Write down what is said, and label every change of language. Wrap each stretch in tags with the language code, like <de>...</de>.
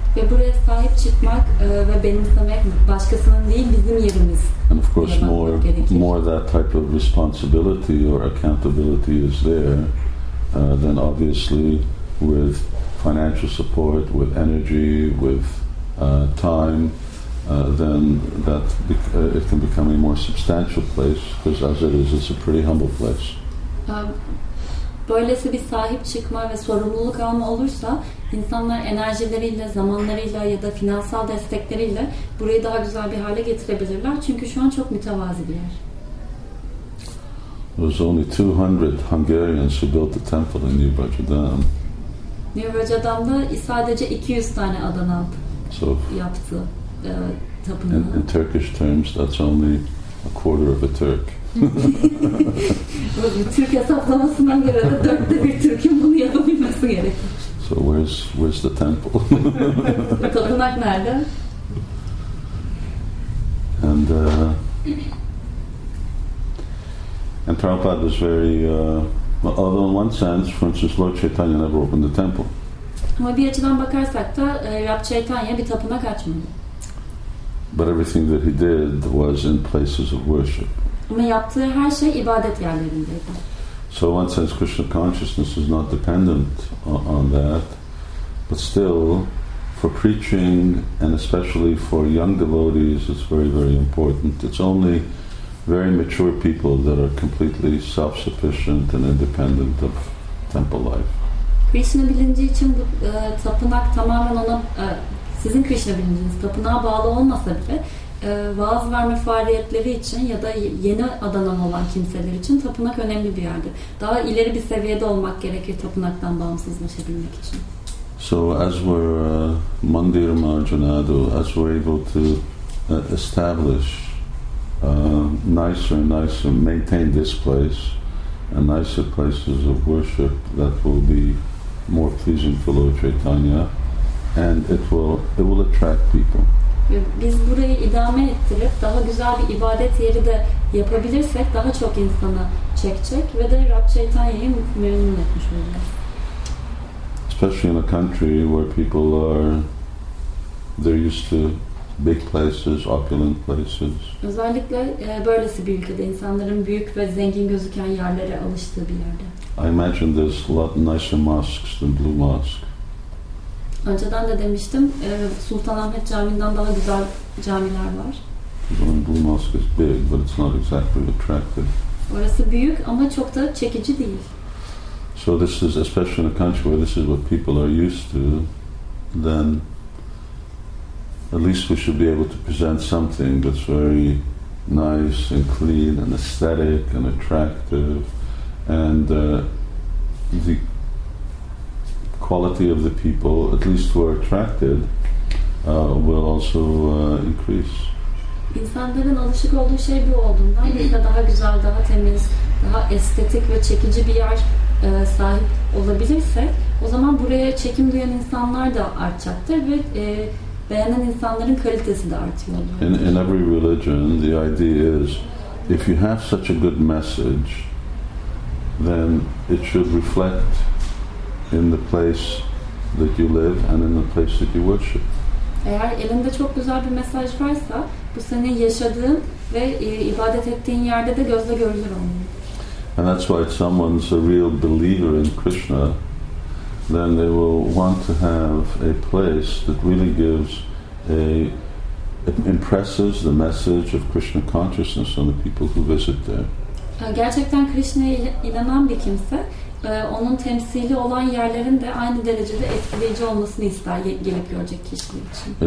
<tr>Ve buraya sahip çıkmak ve benimsemek başkasının değil bizim yerimiz.</tr> <en>And of course more that type of responsibility or accountability is there, then obviously with financial support, with energy, with time, then that it can become a more substantial place, because as it is, it's a pretty humble place.</en> <tr>Böylesi bir sahip çıkma ve sorumluluk alma olursa, insanlar enerjileriyle, zamanlarıyla ya da finansal destekleriyle burayı daha güzel bir hale getirebilirler. Çünkü şu an çok mütevazi bir yer.</tr> <en>There's only 200 Hungarians who built the temple in New Bajadam.</en> <tr>New Bajadam'da sadece 200 tane Adanalı yaptı tapınağı.</tr> <en>In Turkish terms, that's only a quarter of a Turk.</en> <tr>Türk hesaplamasına göre de dörtte bir Türk'ün bunu yapabilmesi gerekiyor.</tr> <en>So where's the temple?</en> <tr>Tapınak nerede?</tr> <en>And Prabhupada was very, although in one sense, for instance, Lord Chaitanya never opened the temple.</en> <tr>Ama bir açıdan bakarsak da Rab Chaitanya bir tapınak açmadı.</tr> <en>But everything that he did was in places of worship.</en> <tr>Ama yaptığı her şey ibadet yerlerindeydi.</tr> <en>So in one sense, Krishna consciousness is not dependent on that. But still, for preaching, and especially for young devotees, it's very, very important. It's only very mature people that are completely self-sufficient and independent of temple life.</en> <tr>Krishna bilinci için bu tapınak tamamen ona, sizin Krishna bilinciniz tapınağa bağlı olmasa bile, vaaz verme faaliyetleri için ya da yeni adanan olan kimseler için tapınak önemli bir yerdir. Daha ileri bir seviyede olmak gerekir tapınaktan bağımsızlaşabilmek için.</tr> <en>So as we're Mandir Marjanadu, as we're able to establish nicer and nicer, maintain this place and nicer places of worship that will be more pleasing for Lord Chaitanya, and it will attract people.</en> <tr>Biz burayı idame ettirip daha güzel bir ibadet yeri de yapabilirsek daha çok insanı çekecek ve de Rab Chaitanya'yı memnun etmiş olacağız.</tr> <en>Especially in a country where people are, they're used to big places, opulent places.</en> <tr>Özellikle böylesi bir ülkede insanların büyük ve zengin gözüken yerlere alıştığı bir yerde.</tr> <en>I imagine there's a lot nicer mosques than Blue Mosque.</en> <tr>Önceden de demiştim, Sultanahmet Camii'nden daha güzel camiler var.</tr> <en>Blue Mosque is big, but it's not exactly attractive.</en> <tr>Orası büyük ama çok da çekici değil.</tr> <en>So this is, especially in a country where this is what people are used to, then at least we should be able to present something that's very nice and clean and aesthetic and attractive, and the quality of the people, at least who are attracted, will also increase.</en> <tr>İnsanların alışık olduğu şey bu olduğundan bir de daha güzel, daha temiz, daha estetik ve çekici bir yer sahip olabilirse, o zaman buraya çekim duyan insanlar da artacaktır ve beğenen insanların kalitesi de artıyor.</tr> <en>In every religion, the idea is, if you have such a good message, then it should reflect in the place that you live and in the place that you worship.</en> <tr>Eğer elinde çok güzel bir mesaj varsa, bu senin yaşadığın ve ibadet ettiğin yerde de gözle görülür onun.</tr> <en>And that's why if someone's a real believer in Krishna, then they will want to have a place that really gives a, it impresses the message of Krishna consciousness on the people who visit there.</en> <tr>Gerçekten Krishna'ya inanan bir kimse, onun temsili olan yerlerin de aynı derecede etkileyici olmasını ister gelip görecek kişiler için.</tr>